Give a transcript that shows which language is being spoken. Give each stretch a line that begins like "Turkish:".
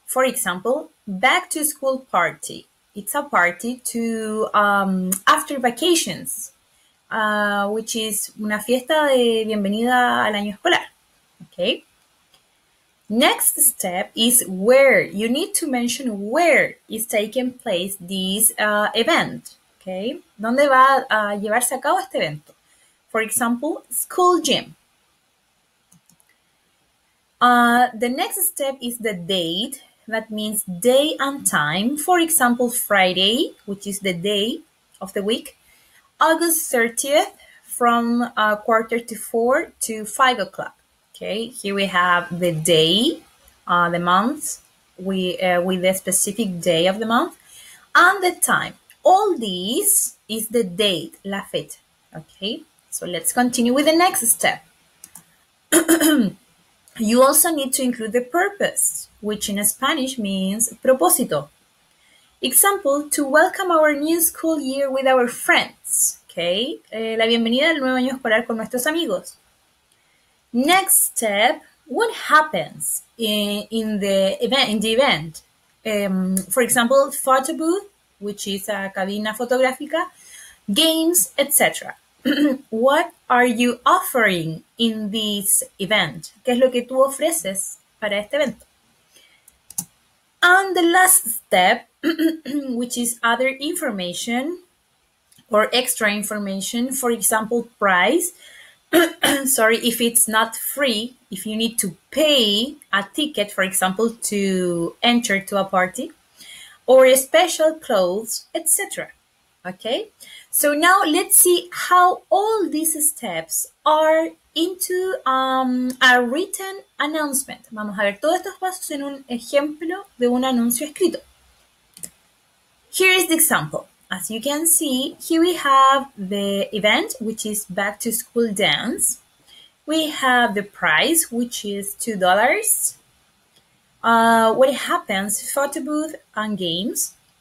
English: For example, back to school party. It's a party to after vacations, which is
Spanish: una fiesta de bienvenida al año escolar.
English: Okay. Next step is where. You need to mention where is taking place this event, okay?
Spanish: ¿Dónde va a llevarse a cabo este evento?
English: For example, school gym. The next step is the date. That means day and time. For example, Friday, which is the day of the week. August 30th from 3:45 to 5 o'clock. Okay, here we have the day, the month, with the specific day of the month, and the time. All these is the date,
Spanish: la fecha.
English: Okay, so let's continue with the next step. You also need to include the purpose, which in Spanish means propósito. Example, to welcome our new school year with our friends.
Spanish: Okay, la bienvenida al nuevo año escolar con nuestros amigos.
English: Next step, what happens in the event? For example, photo booth, which is a cabina fotográfica, games, etc. What are you offering in this event?
Spanish: ¿Qué es lo que tú ofreces para este evento?
English: And the last step, which is other information or extra information, for example, price. sorry, if it's not free, if you need to pay a ticket, for example, to enter to a party, or a special clothes, etc. Okay, so now let's see how all these steps are into a written announcement.
Spanish: Vamos a ver todos estos pasos en un ejemplo de un anuncio escrito.
English: Here is the example. As you can see, here we have the event, which is back to school dance. We have the price, which is $2. What happens, photo booth and games.